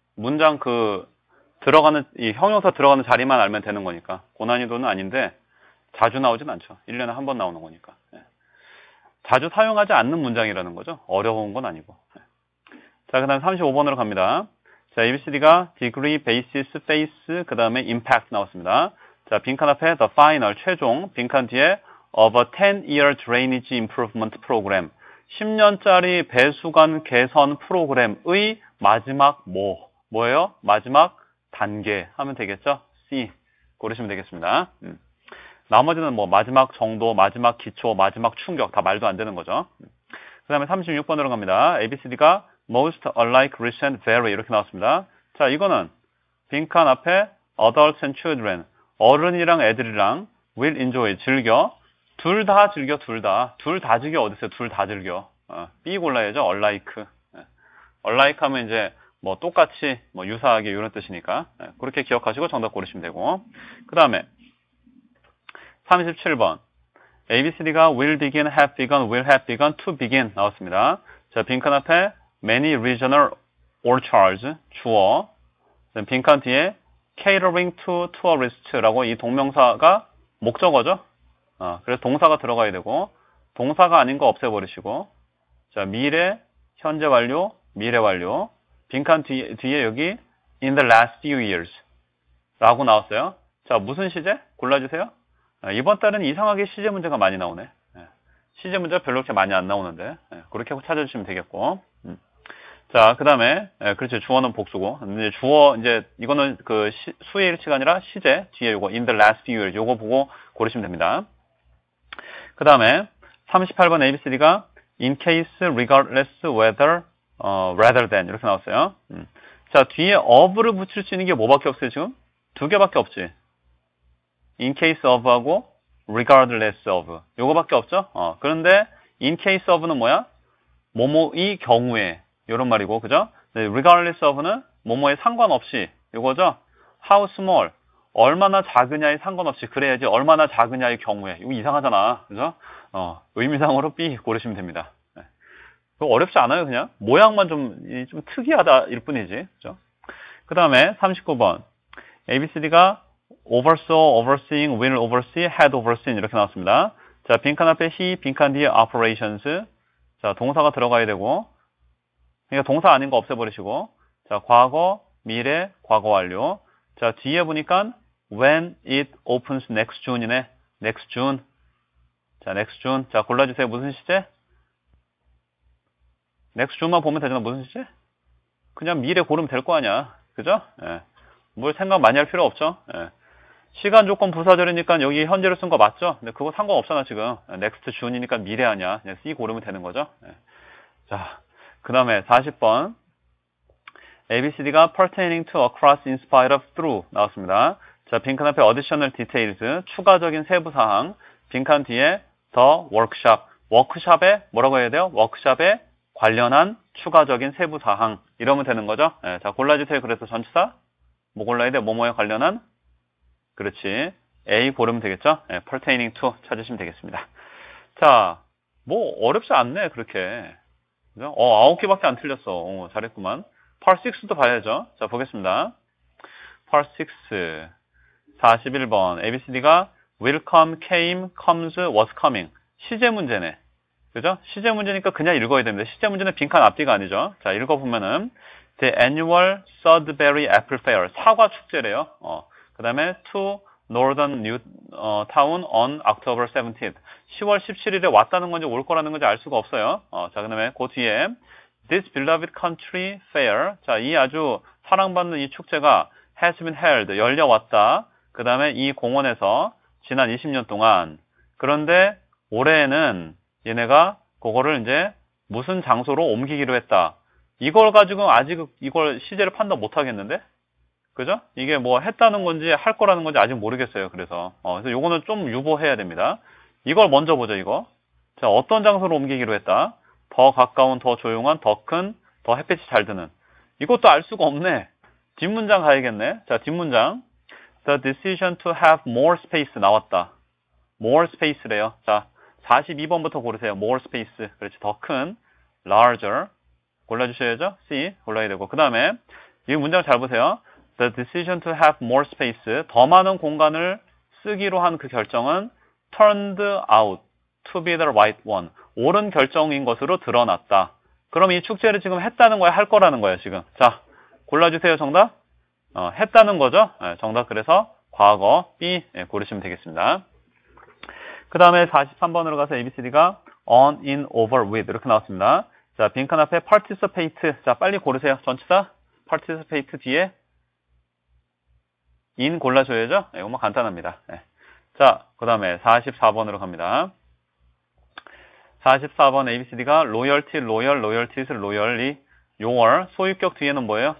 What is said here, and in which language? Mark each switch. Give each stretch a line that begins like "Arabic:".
Korean: 문장 그, 들어가는, 이 형용사 들어가는 자리만 알면 되는 거니까. 고난이도는 아닌데, 자주 나오진 않죠. 1년에 한번 나오는 거니까. 예. 자주 사용하지 않는 문장이라는 거죠. 어려운 건 아니고. 자, 그 다음 35번으로 갑니다. 자, ABCD가 degree, basis, face, 그 다음에 impact 나왔습니다.
English: 자, 빈칸 앞에 the final, 최종, 빈칸 뒤에 of a 10-year drainage improvement program.
Korean: 10년짜리 배수관 개선 프로그램의 마지막 뭐? 뭐예요? 마지막 단계 하면 되겠죠? C. 고르시면 되겠습니다. 나머지는 뭐, 마지막 정도, 마지막 기초, 마지막 충격, 다 말도 안 되는 거죠. 그 다음에 36번으로 갑니다. ABCD가 Most alike, recent, very 이렇게 나왔습니다. 자, 이거는 빈칸 앞에
English: adults and children,
Korean: 어른이랑 애들이랑
English: will enjoy,
Korean: 즐겨. 둘다 즐겨, 둘 다. 둘다 즐겨, 어딨어요? 둘다 즐겨. B 골라야죠, alike. alike 하면 이제 뭐 똑같이, 뭐 유사하게 이런 뜻이니까. 그렇게 기억하시고 정답 고르시면 되고. 그 다음에 37번.
English: ABCD가 will begin, have begun, will have begun, to begin 나왔습니다.
Korean: 자, 빈칸 앞에 Many regional orchards, 주어. 빈칸 뒤에
English: catering to tourists
Korean: 라고 이 동명사가 목적어죠. 그래서 동사가 들어가야 되고, 동사가 아닌 거 없애버리시고, 자, 미래, 현재 완료, 미래 완료. 빈칸 뒤에 여기
English: in the last few years
Korean: 라고 나왔어요. 자, 무슨 시제? 골라주세요. 이번 달은 이상하게 시제 문제가 많이 나오네. 시제 문제가 별로 그렇게 많이 안 나오는데, 그렇게 찾아주시면 되겠고. 자, 그 다음에, 그렇지, 주어는 복수고. 이제 주어, 이제, 이거는 그 수일치가 아니라 시제, 뒤에 요거,
English: in the last few years,
Korean: 요거 보고 고르시면 됩니다. 그 다음에, 38번 ABCD가, in case, regardless, whether, rather than, 이렇게 나왔어요. 자, 뒤에 of를 붙일 수 있는 게 뭐밖에 없어요, 지금? 두 개밖에 없지. in case of하고, regardless of. 요거밖에 없죠? 그런데, in case of는 뭐야? 뭐뭐의 경우에. 이런 말이고, 그죠? Regardless of는 뭐뭐에 상관없이 이거죠?
English: How small?
Korean: 얼마나 작으냐에 상관없이 그래야지 얼마나 작으냐의 경우에 이거 이상하잖아, 그죠? 의미상으로 B 고르시면 됩니다. 어렵지 않아요, 그냥 모양만 좀 특이하다 일 뿐이지, 그죠?
English: 그 다음에 39번 ABCD가 oversaw, overseeing, will oversee, had overseen 이렇게 나왔습니다.
Korean: 자, 빈칸 앞에 he, 빈칸 뒤에 operations. 자, 동사가 들어가야 되고, 그러니까 동사 아닌 거 없애버리시고, 자, 과거, 미래, 과거 완료. 자, 뒤에 보니까
English: when it opens next June이네. Next June.
Korean: 자, next June. 자, 골라주세요. 무슨 시제?
English: Next June
Korean: 만 보면 되잖아. 무슨 시제? 그냥 미래 고르면 될거 아니야. 그죠? 예. 뭘 생각 많이 할 필요 없죠. 예. 시간 조건 부사절이니까 여기 현재를 쓴거 맞죠? 근데 그거 상관없잖아, 지금.
English: Next June
Korean: 이니까 미래 아니야. 그냥 C 고르면 되는 거죠. 예. 자, 그 다음에 40번.
English: ABCD가 pertaining to, across, in spite of, through 나왔습니다.
Korean: 자, 빈칸 앞에 additional details, 추가적인 세부 사항. 빈칸 뒤에 the workshop. 워크샵에 뭐라고 해야 돼요? 워크샵에 관련한 추가적인 세부 사항. 이러면 되는 거죠. 예, 자, 골라주세요. 그래서 전치사. 뭐 골라야 돼? 뭐뭐에 관련한? 그렇지. A 고르면 되겠죠? 예, pertaining to 찾으시면 되겠습니다. 자, 뭐 어렵지 않네, 그렇게. 그죠? 9개밖에 안 틀렸어. 잘했구만. Part 6도 봐야죠. 자, 보겠습니다. Part 6. 41번.
English: ABCD가 will come, came, comes, was coming.
Korean: 시제 문제네. 그죠? 시제 문제니까 그냥 읽어야 됩니다. 시제 문제는 빈칸 앞뒤가 아니죠.
English: 자, 읽어보면은 The annual Sudbury Apple Fair.
Korean: 사과 축제래요.
English: 그 다음에 to Northern New Town on October 17th.
Korean: 10월 17일에 왔다는 건지 올 거라는 건지 알 수가 없어요. 자, 그 다음에 그 뒤에
English: This beloved country fair.
Korean: 자, 이 아주 사랑받는 이 축제가
English: has been held.
Korean: 열려왔다. 그 다음에 이 공원에서 지난 20년 동안. 그런데 올해에는 얘네가 그거를 이제 무슨 장소로 옮기기로 했다. 이걸 가지고 아직 이걸 시제를 판단 못 하겠는데? 그죠? 이게 뭐 했다는 건지 할 거라는 건지 아직 모르겠어요. 그래서. 그래서 요거는 좀 유보해야 됩니다. 이걸 먼저 보죠, 이거. 자, 어떤 장소로 옮기기로 했다? 더 가까운, 더 조용한, 더 큰, 더 햇빛이 잘 드는. 이것도 알 수가 없네. 뒷문장 가야겠네. 자, 뒷문장.
English: The decision to have more space
Korean: 나왔다.
English: More space래요.
Korean: 자, 42번부터 고르세요. More space. 그렇지. 더 큰. Larger. 골라주셔야죠. C. 골라야 되고. 그 다음에, 이 문장 잘 보세요.
English: The decision to have more space.
Korean: 더 많은 공간을 쓰기로 한그 결정은
English: turned out to be the right one.
Korean: 옳은 결정인 것으로 드러났다. 그럼 이 축제를 지금 했다는 거야? 할 거라는 거야, 지금? 자, 골라주세요, 정답. 했다는 거죠? 네, 정답. 그래서 과거 B 네, 고르시면 되겠습니다. 그 다음에 43번으로 가서 ABCD가 on, in, over, with 이렇게 나왔습니다. 자, 빈칸 앞에 participate. 자, 빨리 고르세요. 전치사. participate 뒤에 in 골라줘야죠? 네, 이것만 간단합니다. 네. 자, 그 다음에 44번으로 갑니다. 44번 ABCD가 loyalty, loyal, loyalties, loyally, your 소유격 뒤에는 뭐예요?